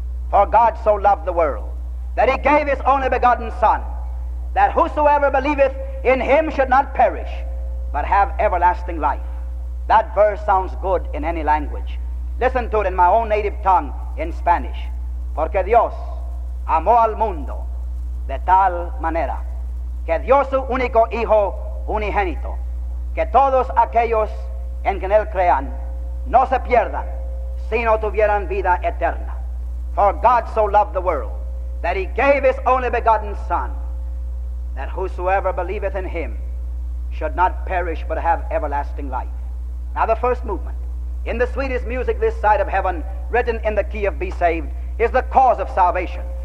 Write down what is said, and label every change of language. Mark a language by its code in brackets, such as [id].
[en] For God so loved the world that he gave his only begotten Son, that whosoever believeth in him should not perish, but have everlasting life. That verse sounds good in any language. Listen to it in my own native tongue in Spanish. [es] Porque Dios amó al mundo de tal manera que dio su único hijo unigénito, que todos aquellos en quien él crean no se pierdan, sino tuvieran vida eterna. [en] For God so loved the world that he gave his only begotten Son, that whosoever believeth in him should not perish but have everlasting life. Now the first movement, in the sweetest music this side of heaven, written in the key of Be Saved, is the cause of salvation.